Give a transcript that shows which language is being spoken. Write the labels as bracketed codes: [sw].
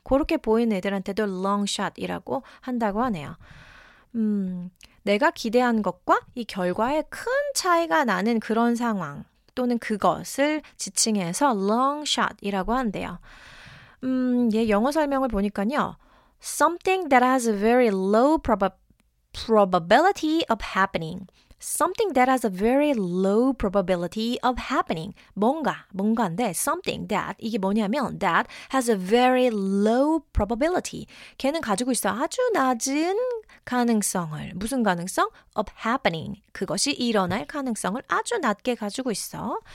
[ko] 그렇게 보이는 애들한테도 long shot이라고 한다고 하네요. 내가 기대한 것과 이 결과에 큰 차이가 나는 그런 상황 또는 그것을 지칭해서 long shot이라고 한대요. 얘 영어 설명을 보니까요. [en] Something that has a very low probability of happening. Something that has a very low probability of happening. [ko] 뭔가인데 [en] something that [ko] 이게 뭐냐면 [en] that has a very low probability. [ko] 걔는 가지고 있어 아주 낮은 가능성을 무슨 가능성? [en] Of happening. [ko] 그것이 일어날 가능성을 아주 낮게 가지고 있어.